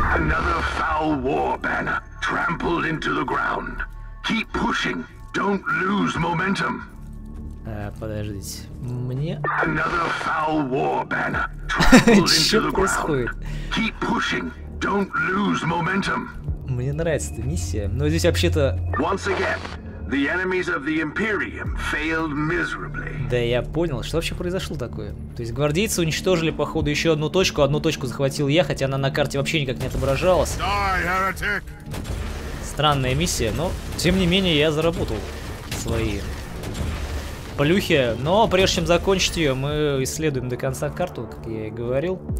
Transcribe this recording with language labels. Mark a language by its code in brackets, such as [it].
[en] Another foul war banner trampled into the ground. Keep pushing, don't lose momentum. [ru] Подождите, мне... [en] Another foul war banner trampled into the ground. [ru] Что происходит? [en] Keep pushing, don't lose momentum. [ru] Мне нравится эта миссия, но здесь вообще-то... [en] Once again, the enemies of the Imperium failed miserably. [ru] Да я понял, что вообще произошло такое? То есть гвардейцы уничтожили, походу, еще одну точку захватил я, хотя она на карте вообще никак не отображалась. [en] Die, heretic! [ru] Странная миссия, но, тем не менее, я заработал свои плюхи. Но прежде чем закончить ее, мы исследуем до конца карту, как я и говорил.